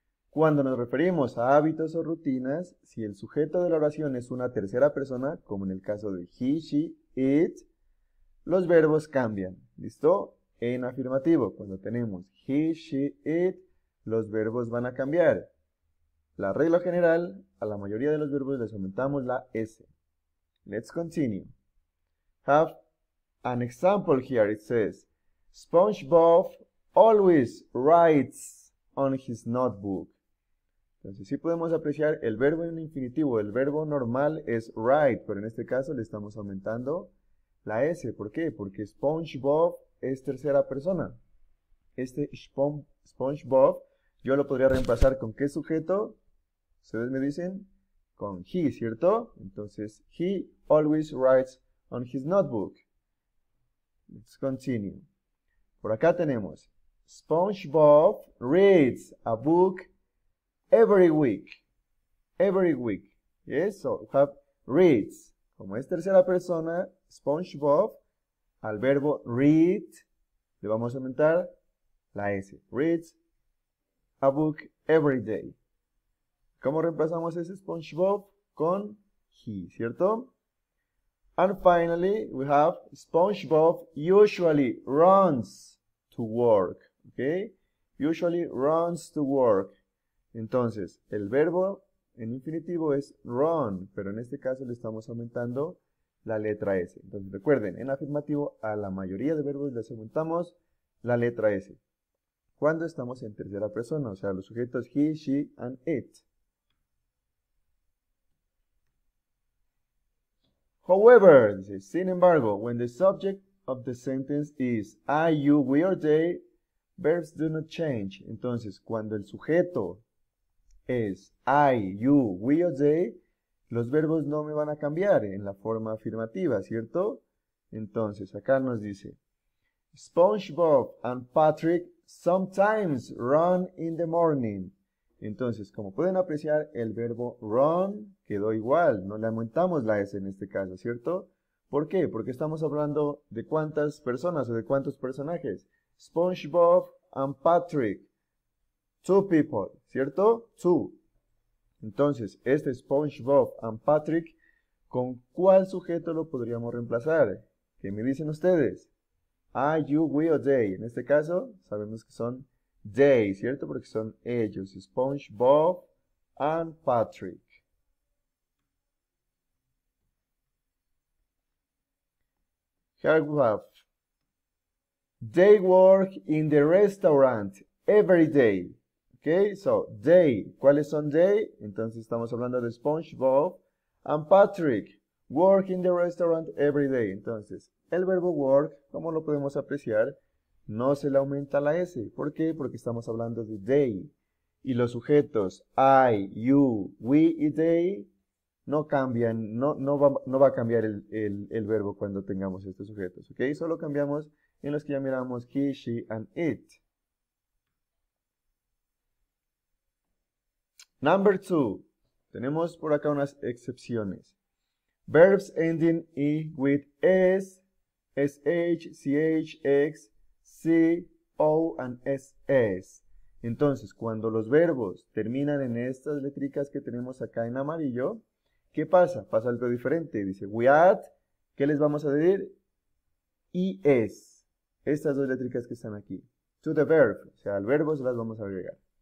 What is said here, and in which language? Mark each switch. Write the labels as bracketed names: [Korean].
[Spanish] Cuando nos referimos a hábitos o rutinas, si el sujeto de la oración es una tercera persona, como en el caso de he, she, it, los verbos cambian. ¿Listo? En afirmativo, cuando tenemos he, she, it, los verbos van a cambiar. La regla general, a la mayoría de los verbos les aumentamos la S. [English] Let's continue. Have an example here. It says, SpongeBob always writes on his notebook. [Spanish] Entonces, sí podemos apreciar el verbo en infinitivo. El verbo normal es write, pero en este caso le estamos aumentando la S. ¿Por qué? Porque SpongeBob es tercera persona. Este SpongeBob, yo lo podría reemplazar con qué sujeto. Ustedes me dicen con he, ¿cierto? [English] Entonces, he always writes on his notebook. Let's continue. [Spanish] Por acá tenemos, [English] SpongeBob reads a book every week. Every week. Yes, so have reads. [Spanish] Como es tercera persona, SpongeBob, al verbo read, le vamos a aumentar la S. [English] Reads a book every day. [Spanish] ¿Cómo reemplazamos ese SpongeBob? Con he, ¿cierto? [English] And finally, we have SpongeBob usually runs to work. ¿Ok? Usually runs to work. [Spanish] Entonces, el verbo en infinitivo es run, pero en este caso le estamos aumentando la letra S. Entonces, recuerden, en afirmativo, a la mayoría de verbos les aumentamos la letra S. Cuando estamos en tercera persona, o sea, los sujetos he, she, and it. [English] However, [Spanish] dice, sin embargo, [English] when the subject of the sentence is I, you, we, or they, verbs do not change. [Spanish] Entonces, cuando el sujeto es I, you, we, or they, los verbos no me van a cambiar en la forma afirmativa, ¿cierto? Entonces, acá nos dice, [English] SpongeBob and Patrick sometimes run in the morning. [Spanish] Entonces, como pueden apreciar, el verbo run quedó igual, no le aumentamos la S en este caso, ¿cierto? ¿Por qué? Porque estamos hablando de cuántas personas o de cuántos personajes. [English] SpongeBob and Patrick. Two people, ¿cierto? Two. [Spanish] Entonces, este SpongeBob and Patrick, ¿con cuál sujeto lo podríamos reemplazar? ¿Qué me dicen ustedes? [English] Are you, we, or they? [Spanish] En este caso, sabemos que son they, ¿cierto? Porque son ellos, SpongeBob and Patrick. [English] Here we have. They work in the restaurant every day. Okay, so they. [Spanish] ¿Cuáles son they? Entonces estamos hablando de SpongeBob and Patrick. [English] Work in the restaurant every day. [Spanish] Entonces, el verbo work, ¿cómo lo podemos apreciar? No se le aumenta la S. ¿Por qué? Porque estamos hablando de they. Y los sujetos I, you, we y they no cambian, no va a cambiar el verbo cuando tengamos estos sujetos, ¿ok? Solo cambiamos en los que ya miramos he, she, and it. [English] Number two. [Spanish] Tenemos por acá unas excepciones. [English] Verbs ending in with s, sh, ch, ex, c, o, and ss. [Spanish] Entonces, cuando los verbos terminan en estas letricas que tenemos acá en amarillo, ¿qué pasa? Pasa algo diferente. Dice, [English] we add, [Spanish] ¿qué les vamos a decir? Es. Estas dos letricas que están aquí. [English] To the verb. [Spanish] O sea, al verbo se las vamos a agregar.